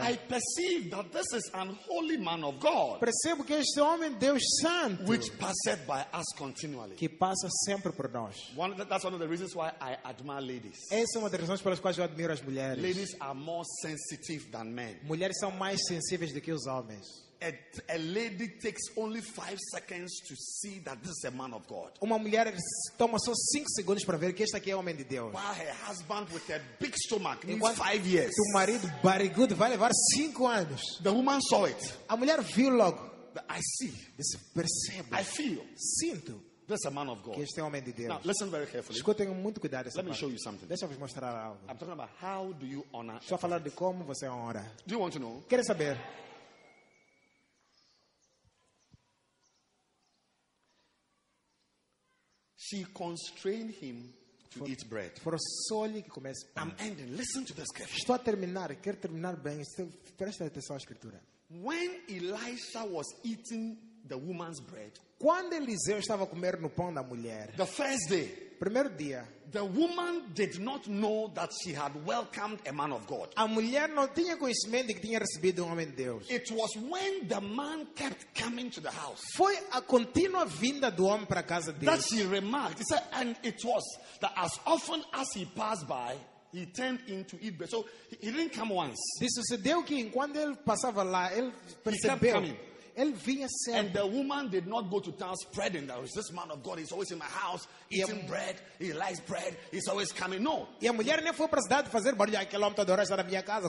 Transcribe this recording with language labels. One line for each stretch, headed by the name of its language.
English: I perceive that this is an holy man of God,
Portuguese: percebo que este homem Deus santo,
English: which passeth by us continually,
Portuguese: que passa sempre por nós.
English: That's one of the reasons why I admire ladies.
Portuguese: Essa é uma das razões pelas quais eu admiro as mulheres.
English: Ladies are more sensitive than men.
Portuguese: Mulheres são mais sensíveis do que os homens.
English: A lady takes only 5 seconds to see that this is a man of God.
Portuguese: Uma mulher toma só 5 segundos para ver que este aqui é homem de Deus.
English: While her husband with a big stomach needs 5 years.
Portuguese: O marido barrigudo vai levar 5 anos.
English: The woman saw it.
Portuguese: A mulher viu logo.
English: I see.
Portuguese: Disse, percebo.
English: I feel.
Portuguese: Sinto.
English: This is a man of God.
Portuguese: Que este é homem de Deus.
English: Now listen very carefully.
Portuguese: Escutem muito cuidado essa
English: Let
Portuguese: parte.
English: Me show you something.
Portuguese: Deixa-vos mostrar algo.
English: I'm talking about how do you honor.
Portuguese: Estou a falar de como você honra.
English: Do you want to know?
Portuguese: Quer saber?
English: She constrained him to eat bread. For solely que comece. I'm ending. Listen to the scripture.
Portuguese: Estou a terminar. Quero terminar bem. Presta atenção à escritura.
English: When Elisha was eating the woman's bread.
Portuguese: Quando Eliseu estava comendo no pão da mulher.
English: The first day.
Portuguese: Primeiro dia.
English: The woman did not know that she had welcomed a man of God.
Portuguese: A mulher não tinha conhecimento de que tinha recebido um homem de Deus.
English: It was when the man kept coming to the house.
Portuguese: Foi a contínua vinda do homem para a casa dele.
English: That she remarked. He said, and it was that as often as he passed by, he turned in to eat bread. So he didn't come once.
Portuguese: Isso sucedeu que enquanto ele passava lá, ele percebeu. Ele vinha sempre.
English: And the woman did not go to town spreading that this man of God is always in my house eating bread. He likes bread. He's always coming. No.
Portuguese: E a mulher nem foi para a cidade fazer barulho. Aquele homem toda hora está na minha casa.